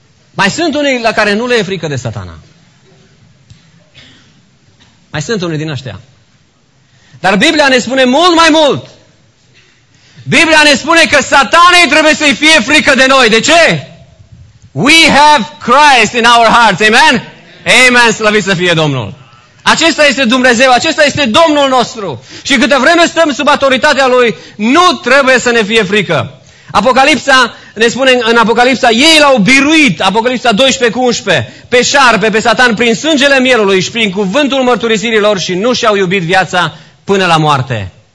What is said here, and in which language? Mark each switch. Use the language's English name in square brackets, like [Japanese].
[Romanian] Mai sunt unii la care nu le e frică de satana. Mai sunt unii din ăștia. Dar Biblia ne spune mult mai mult. Biblia ne spune că satanei trebuie să-i fie frică de noi. De ce? [English] We have Christ in our hearts. [Romanian] Amen? Amen, slăvit să fie Domnul. Acesta este Dumnezeu, acesta este Domnul nostru. Și câtă vreme stăm sub autoritatea Lui, nu trebuie să ne fie frică. Apocalipsa ne spune în Apocalipsa, ei l-au biruit, Apocalipsa 12:11, pe șarpe, pe satan, prin sângele mielului și prin cuvântul mărturisirilor și nu și-au iubit viața până la moarte.